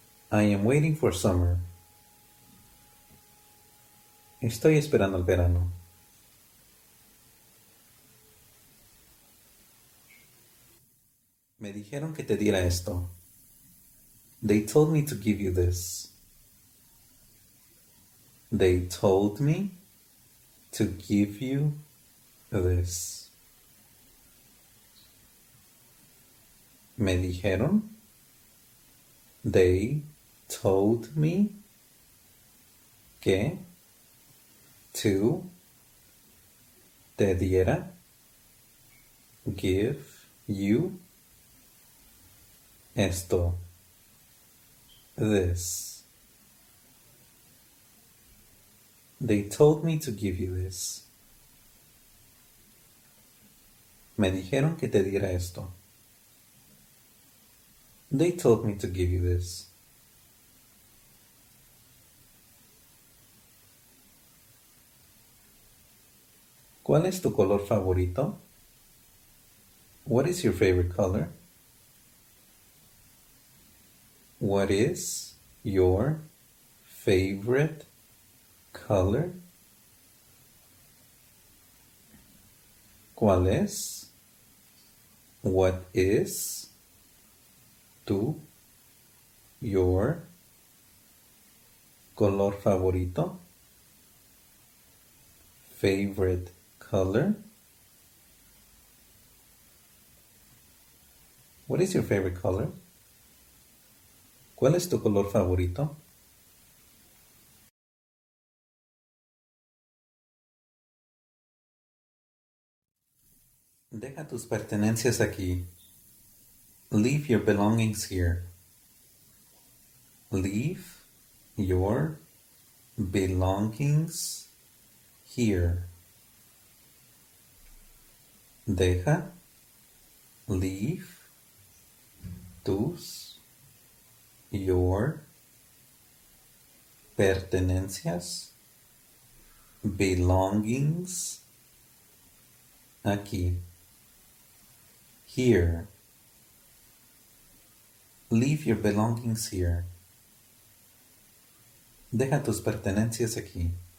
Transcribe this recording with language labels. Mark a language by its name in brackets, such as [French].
[English] I am waiting for summer. [Spanish] Estoy esperando el verano. Me dijeron que te diera esto. [English] They told me to give you this. They told me to give you this. [Spanish] Me dijeron. [English] They told me [Spanish] que [English] to [Spanish] te diera [English] give you [Spanish] esto. [English] This. They told me to give you this. [Spanish] Me dijeron que te diera esto. [English] They told me to give you this. [Spanish] ¿Cuál es tu color favorito? [English] What is your favorite color? What is your favorite color? [Spanish] ¿Cuál es? [English] What is [Spanish] tu [English] your [Spanish] color favorito? [English] Favorite color? What is your favorite color? [Spanish] ¿Cuál es tu color favorito? Deja tus pertenencias aquí. [English] Leave your belongings here. Leave your belongings here. [Spanish] Deja. [English] Leave. [Spanish] Tus, [English] your, [Spanish] pertenencias, [English] belongings, [Spanish] aquí, [English] here. Leave your belongings here. [Spanish] Deja tus pertenencias aquí.